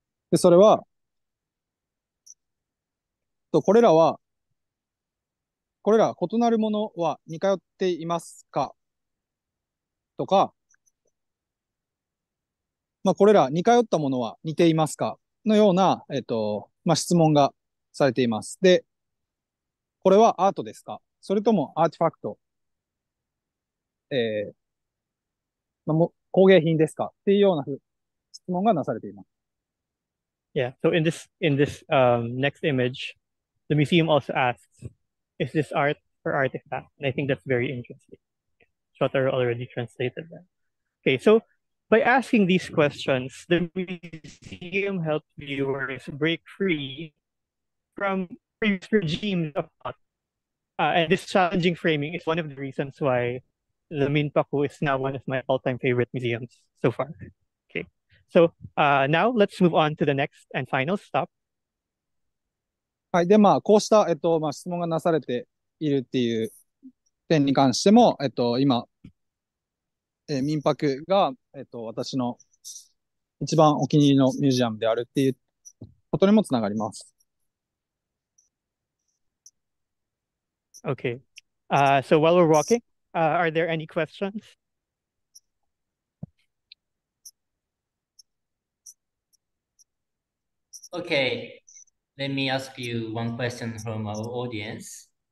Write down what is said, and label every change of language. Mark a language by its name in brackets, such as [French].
[Japanese] で、それは、これらは、これら異なるものは似通っていますかとか、まあ、これら似通ったものは似ていますかのような、まあ、質問がされています。で、これはアートですかそれともアーティファクト、まあ、も工芸品ですかっていうような質問がなされています。 [English] Yeah, so in this, next image, the museum also asks,Is this art or artifact? And I think that's very interesting. Chotaro already translated that. Okay, so by asking these questions, the museum helps viewers break free from previous regimes of thought. And this challenging framing is one of the reasons why the Minpaku is now one of my all-time favorite museums so far. Okay, so now let's move on to the next and final stop. [Japanese] はい。で、まあ、こうした、まあ、質問がなされているっていう点に関しても、今、民泊が、私の一番お気に入りのミュージアムであるっていうことにもつながります。 [English] Okay. So while we're walking, are there any questions? Okay. Let me ask you one question from our audience.